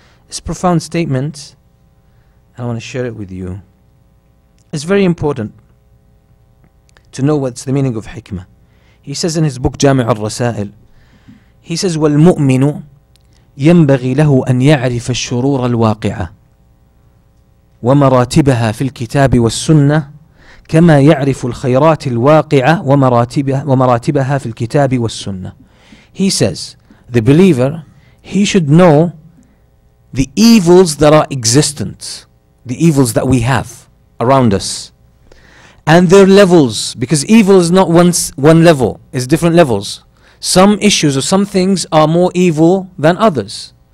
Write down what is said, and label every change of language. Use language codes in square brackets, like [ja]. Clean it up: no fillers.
[en] It's a profound statement. I want to share it with you. It's very important to know what's the meaning of hikmah. He says in his book, Jami' al-Rasail, he says, [ar] وَالْمُؤْمِنُ يَنْبَغِي لَهُ أَنْ يَعْرِفَ الشُّرُورَ الْوَاقِعَةِ وَمَرَاتِبَهَا فِي الْكِتَابِ وَالسُّنَّةِ كَمَا يَعْرِفُ الْخَيْرَاتِ الْوَاقِعَةِ وَمَرَاتِبَهَا فِي الْكِتَابِ وَالسُّنَّةِ. [en] He says, the believer, he should know the evils that are existent, the evils that we have around us, and their levels, because evil is not one level, it's different levels. Some issues or some things are more evil than others.